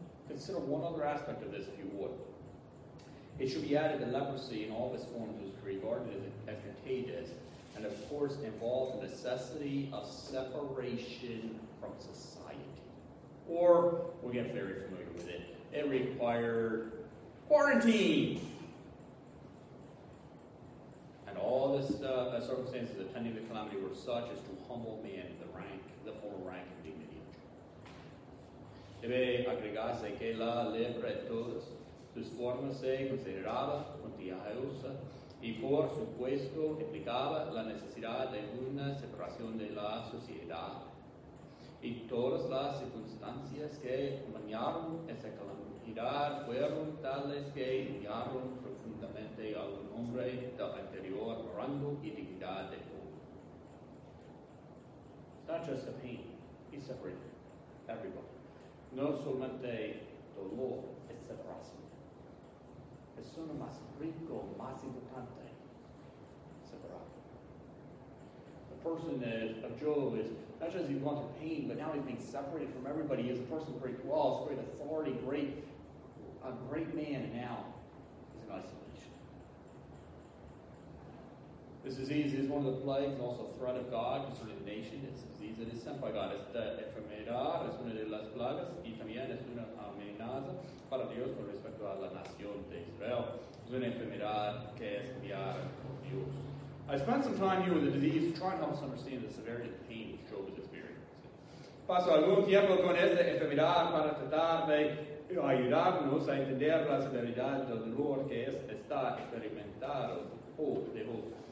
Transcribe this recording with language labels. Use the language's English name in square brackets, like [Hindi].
[English] Consider one other aspect of this, if you would. It should be added that leprosy in all of its forms was regarded as contagious, and of course involved the necessity of separation from society. Or, we'll get very familiar with it, it required quarantine. And all the circumstances attending the calamity were such as to humble man in the rank. The formal rank of dignity. [Spanish] Debe agregarse que la lepra en todas sus formas se consideraba contagiosa y por supuesto implicaba la necesidad de una separación de la sociedad. Y todas las circunstancias que acompañaron esa calamidad fueron tales que humillaron profundamente a un hombre del anterior rango y dignidad de todos. [English] Not just the pain, he separated everybody. [Spanish] No solamente dolor, es separación. Es uno más rico, más importante, separado. [English] The person of Job is not just he wants pain, but now he's being separated from everybody. He is a person of great walls, great authority, a great man, and now he's in isolation. This disease is one of the plagues, also a threat of God concerning the nation. It is sent by God. [Spanish] Esta enfermedad es una de las plagas y también es una amenaza para Dios con respecto a la nación de Israel. Es una enfermedad que es enviada por Dios. [English] I spent some time here with the disease to try and help us understand the severity of the pain which Job is experiencing. [Spanish] Paso algún tiempo con esta enfermedad para tratar de ayudarnos a entender la severidad del dolor que está experimentado por Dios.